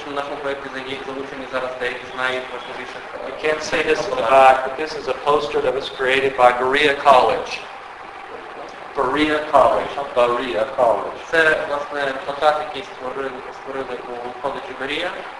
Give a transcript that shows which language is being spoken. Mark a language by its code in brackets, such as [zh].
[uk] У нашому проєкті залучені зараз деякі з найважливіших. [en] You can't say this in the back, but this is a poster that was created by Berea College. Berea College. Berea College. [uk] Це, власне, плакат, який створили у коледжі Берея.